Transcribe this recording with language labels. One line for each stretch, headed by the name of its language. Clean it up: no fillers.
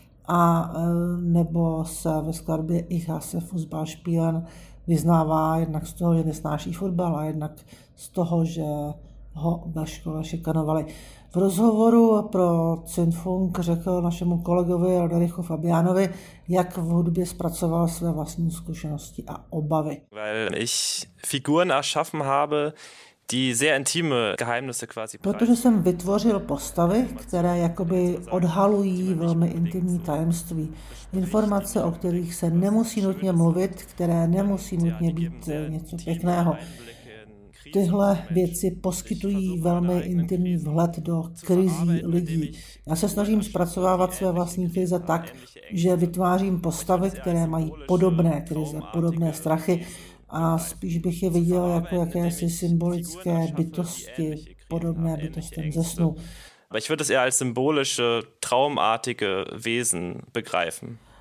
Czech: A nebo se ve skladbě Ich hasse Fußballspielen vyznává jednak z toho, že nesnáší fotbal a jednak z toho, že ho ve škole šikanovali. V rozhovoru pro Zündfunk řekl našemu kolegovi Roderichu Fabianovi, jak v hudbě zpracoval své vlastní zkušenosti a obavy.
German: Weil ich Figuren erschaffen habe, die sehr intime Geheimnisse quasi.
Czech: Protože jsem vytvořil postavy, které jakoby odhalují velmi intimní tajemství. Informace, o kterých se nemusí nutně mluvit, které nemusí nutně být něco pěkného. Tyhle věci poskytují velmi intimní vhled do krizí lidí. Já se snažím zpracovávat své vlastní krize tak, že vytvářím postavy, které mají podobné krize, podobné strachy, a spíš bych je viděl jako jakési symbolické bytosti, podobné bytostem ze snu.
German: Ich würde es eher als symbolische, traumartige Wesen begreifen.